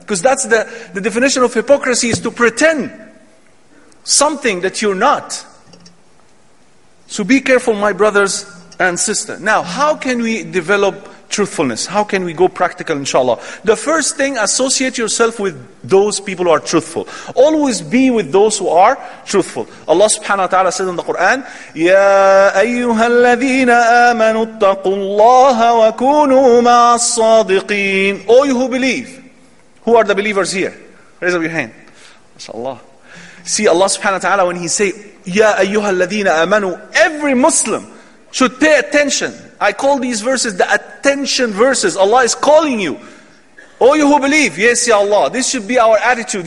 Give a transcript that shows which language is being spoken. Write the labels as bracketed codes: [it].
[en] Because that's the definition of hypocrisy, is to pretend something that you're not. So be careful, my brothers and sisters. Now, how can we develop truthfulness? How can we go practical, inshallah? The first thing, associate yourself with those people who are truthful. Always be with those who are truthful. Allah subhanahu wa ta'ala said in the Quran, [ar] يَا أَيُّهَا الَّذِينَ آمَنُوا اتَّقُوا اللَّهَ وَكُونُوا مَعَ الصَّادِقِينَ. [en] All you who believe. Who are the believers here? Raise up your hand. MashaAllah. See, Allah subhanahu wa ta'ala, when he say, [ar] يَا أَيُّهَا الَّذِينَ آمَنُوا, [en] every Muslim should pay attention. I call these verses the attention verses. Allah is calling you. All you who believe, yes, Ya Allah. This should be our attitude.